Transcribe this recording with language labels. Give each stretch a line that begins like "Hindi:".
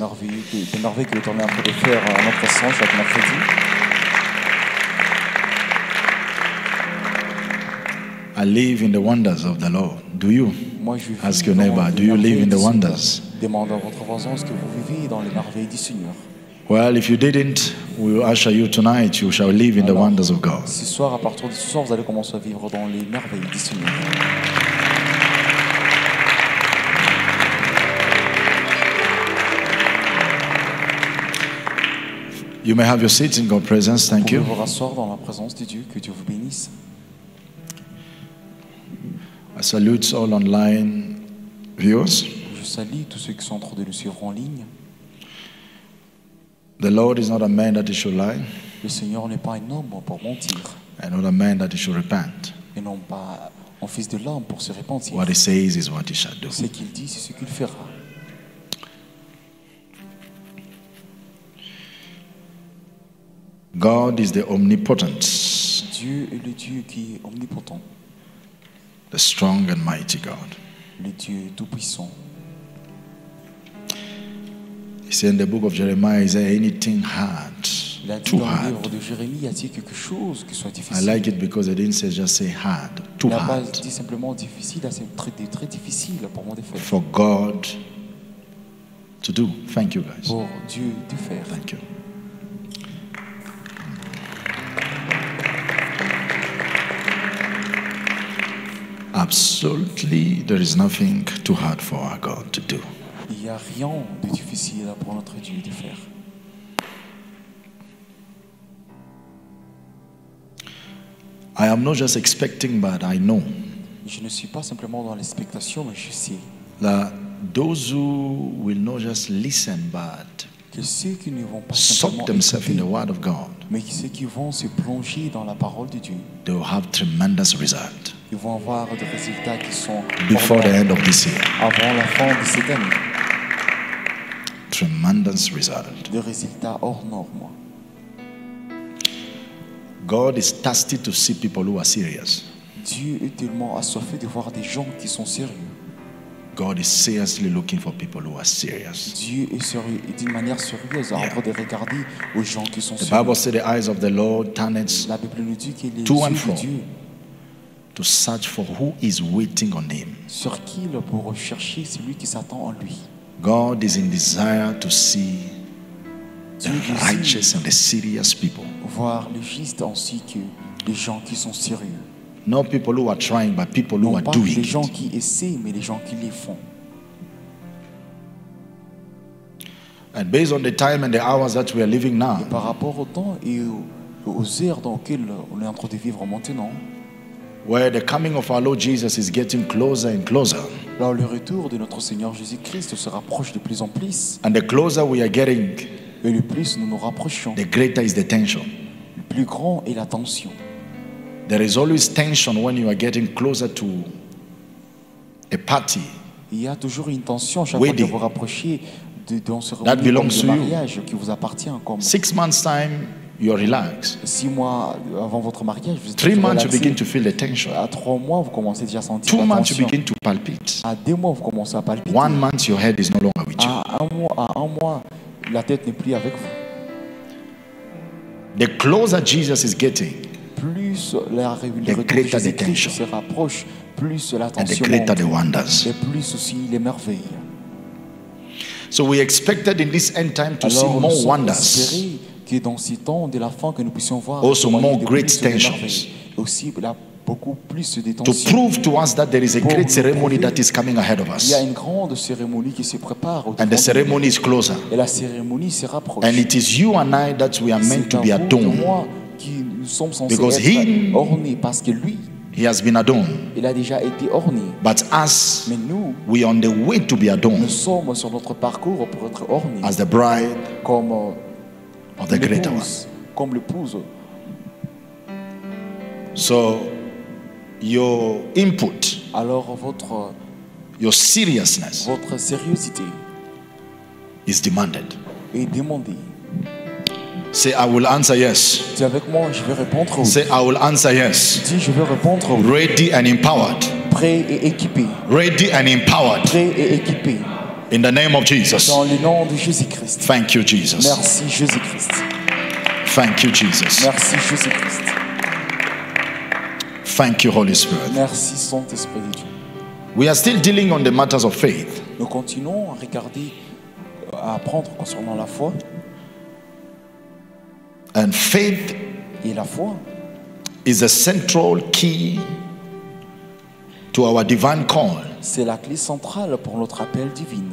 English: I live in the wonders of the Lord. Do you? Ask your neighbor, do you live in the wonders? Well, if you didn't, we will usher you tonight. You shall live in the wonders of God.
French: Ce soir, à partir de ce soir, vous allez commencer à vivre dans les merveilles du Seigneur.
English: You may have your seat in God's presence. Thank you.
French: Vous pouvez vous rasseoir dans la présence de Dieu. Que Dieu vous bénisse.
English: I salute all online viewers.
French: Je salue tous ceux qui sont en train de nous suivre en ligne.
English: The Lord is not a man that he should lie.
French: Le Seigneur n'est pas un homme pour mentir.
English: And not a man that he should repent.
French: Et non pas un fils de l'homme pour se repentir.
English: What he says is what he shall do.
French: Ce qu'il dit, c'est ce qu'il fera.
English: God is the omnipotent.
French: Dieu est le Dieu qui est omnipotent.
English: The strong and mighty God.
French: Le Dieu tout puissant.
English: He said in the book of Jeremiah, is there anything hard, too hard?
French: Livre de Jérémie, a-t-il quelque chose qui soit difficile?
English: I like it because it didn't say just say hard, too
French: la
English: hard.
French: Dit simplement difficile, c'est très, très difficile pour mon défaite.
English: For God to do. Thank you, guys.
French: Pour Dieu de faire.
English: Thank you. Absolutely, there is nothing too hard for our God to do.
French: Il n'y a rien de difficile pour notre Dieu de faire.
English: I am not just expecting, but I know.
French: Je ne suis pas simplement dans l'expectation, mais je sais.
English: That those who will not just listen, but
French: que ceux qui ne vont pas simplement écouter,
English: in the word of God,
French: mais que ceux qui vont se plonger dans la parole de Dieu,
English: they will have tremendous results.
French: Ils vont avoir des résultats qui sont
English: before the end of this year.
French: Avant la fin de cette année.
English: Tremendous result.
French: Des résultats hors normes.
English: God is thirsty to see people who are serious.
French: Dieu est tellement assoiffé de voir des gens qui sont sérieux.
English: God is seriously looking for people who are serious.
French: Dieu est sérieux et d'une manière sérieuse en train de regarder aux gens qui sont
English: the
French: sérieux.
English: The Bible says the eyes of the Lord turned.
French: La Bible nous dit qu'il est
English: to and fro to search for who is waiting on him.
French: Sur qui le pour chercher celui qui s'attend en lui.
English: God is in desire to see the righteous and the serious people.
French: Voir les justes ainsi que les gens qui sont sérieux.
English: Not people who are trying, but people who are doing.
French: Les gens qui essaient, mais les gens qui les font.
English: And based on the time and the hours that we are living now.
French: Par rapport au temps et aux heures dans lesquelles on est en train de vivre maintenant.
English: where the coming of our Lord Jesus is getting closer and closer.
French: Là où le retour de notre Seigneur Jésus-Christ se rapproche de plus en plus.
English: And the closer we are getting,
French: et le plus nous nous rapprochons,
English: the greater is the tension.
French: Le plus grand est la tension.
English: There is always tension when you are getting closer to a party.
French: Il y a toujours une tension chaque fois que vous rapprochez d'un mariage qui vous appartient. Comme
English: 6 months time, you are relaxed.
French: 6 mois avant votre mariage, vous êtes relaxé.
English: 3 months you begin to feel the tension.
French: À 3 mois, vous commencez déjà à sentir la
English: tension. 2 months you begin to palpite.
French: À 2 mois, vous commencez à palpiter.
English: 1 month your head is no longer with you.
French: À un mois, la tête n'est plus avec vous.
English: The closer Jesus is getting,
French: plus la
English: greater the tension.
French: Se rapproche, plus la tension.
English: And the greater the wonders.
French: Et plus aussi les merveilles.
English: So we expected in this end time to
French: alors,
English: see more wonders.
French: Que dans ces temps de la fin que nous puissions voir
English: also more great tensions,
French: aussi là, beaucoup plus de tensions,
English: to prove to us that there is a great ceremony that is coming ahead of us.
French: Il y a une grande cérémonie qui se prépare,
English: and the ceremony is closer,
French: et la cérémonie se rapproche.
English: And it is you and I that we are meant to be adorned,
French: qui nous sommes censés
English: because
French: être ornés, parce que lui,
English: he has been adorned.
French: Il a déjà été orné.
English: But us,
French: mais nous,
English: we are on the way to be adorned,
French: nous sommes sur notre parcours pour être ornés,
English: as the bride,
French: comme
English: of the greater one.
French: Comme l'épouse.
English: So your input,
French: alors votre,
English: your seriousness,
French: votre sérieuxité,
English: is demanded.
French: Est demandé.
English: Say I will answer yes.
French: Dis avec moi, je vais répondre.
English: Say I will answer yes.
French: Dis je vais répondre.
English: Ready and empowered.
French: Prêt et équipé.
English: Ready and empowered.
French: Prêt et équipé.
English: In the name of Jesus.
French: Dans le nom de Jésus-Christ.
English: Thank you, Jesus.
French: Merci, Jésus-Christ.
English: Thank you, Jesus.
French: Merci, Jésus-Christ.
English: Thank you, Holy Spirit.
French: Merci, Saint-Esprit de Dieu.
English: We are still dealing on the matters of faith.
French: Nous continuons à regarder, à apprendre concernant la foi.
English: And faith,
French: et la foi,
English: is a central key to our divine call.
French: C'est la clé centrale pour notre appel divin.